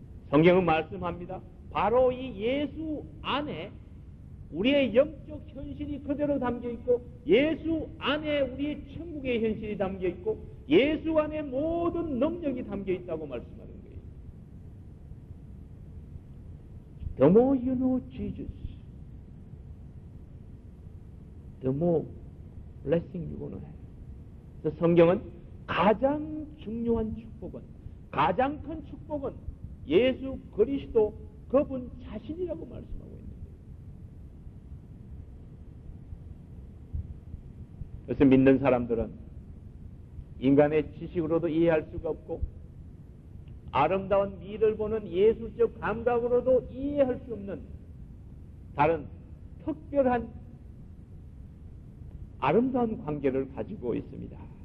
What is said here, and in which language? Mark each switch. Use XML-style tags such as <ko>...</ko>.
<ko>성경은 말씀합니다. 바로 이 예수 안에 우리의 영적 현실이 그대로 담겨있고 예수 안에 우리의 천국의 현실이 담겨있고 예수 안에 모든 능력이 담겨있다고 말씀하는 거예요.</ko> <en>The more you know Jesus, the more blessing you gonna have.</en> <ko>그래서 성경은 가장 중요한 축복은 가장 큰 축복은 예수 그리스도 그분 자신이라고 말씀하고 있는 거예요. 그래서 믿는 사람들은 인간의 지식으로도 이해할 수가 없고 아름다운 미를 보는 예술적 감각으로도 이해할 수 없는 다른 특별한 아름다운 관계를 가지고 있습니다.</ko>